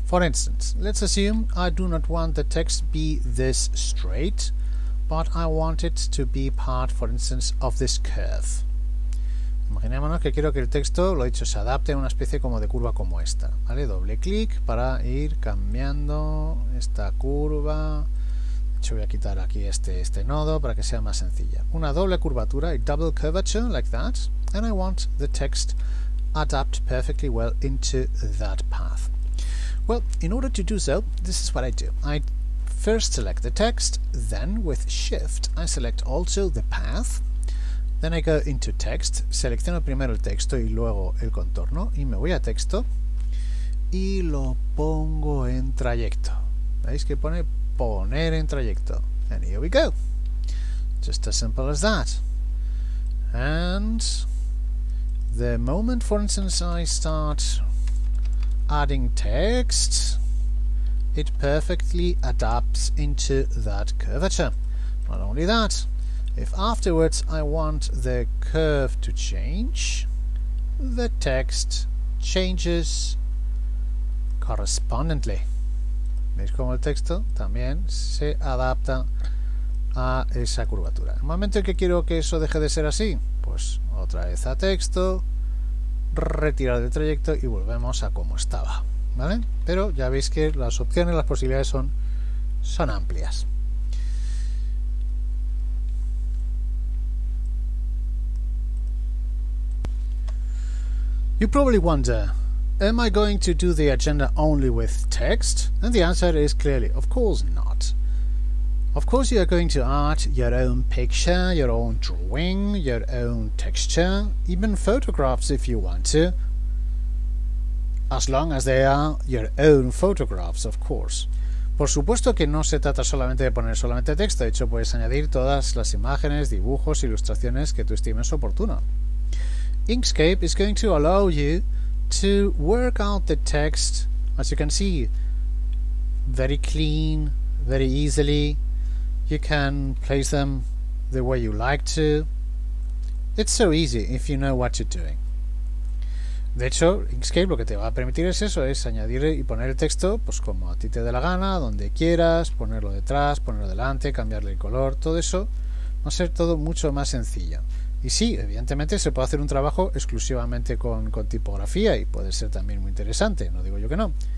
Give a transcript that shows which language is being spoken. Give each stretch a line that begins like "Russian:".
English: For instance, let's assume I do not want the text be this straight, but I want it to be part, for instance, of this curve.
Spanish: Imaginémonos que quiero que el texto, lo dicho, se adapte a una especie como de curva como esta, ¿vale? Doble clic para ir cambiando esta curva. De hecho, voy a quitar aquí este nodo para que sea más sencilla. Una doble curvatura,
English: a double curvature, like that, and I want the text adapt perfectly well into that path. Well, in order to do so, this is what I do. I first select the text, then with shift, I select also the path. Then I go into text,
Spanish: selecciono primero el texto y luego el contorno, y me voy a texto y lo pongo en trayecto. ¿Veis que pone poner en trayecto?
English: And here we go. Just as simple as that. And the moment, for instance, I start adding text, it perfectly adapts into that curvature. Not only that, if afterwards I want the curve to change, the text changes correspondingly.
Spanish: ¿Veis cómo el texto también se adapta a esa curvatura? El momento en que quiero que eso deje de ser así, pues otra vez a texto, retirar del trayecto y volvemos a como estaba, ¿vale? Pero ya veis que las opciones, las posibilidades son amplias.
English: You probably wonder, am I going to do the agenda only with text? And the answer is clearly, of course not. Of course you are going to add your own picture, your own drawing, your own texture, even photographs if you want to. As long as they are your own photographs, of course.
Spanish: Por supuesto que no se trata solamente de poner solamente texto, de hecho puedes añadir todas las imágenes, dibujos, ilustraciones que tú estimes oportuno.
English: Inkscape is going to allow you to work out the text, as you can see, very clean, very easily. You can place them the way you like to. It's so easy if you know what you're doing.
Spanish: De hecho, Inkscape lo que te va a permitir es eso, es añadir y poner el texto, pues como a ti te dé la gana, donde quieras, ponerlo detrás, ponerlo delante, cambiarle el color, todo eso va a ser todo mucho más sencillo. Y sí, evidentemente se puede hacer un trabajo exclusivamente con tipografía y puede ser también muy interesante, no digo yo que no.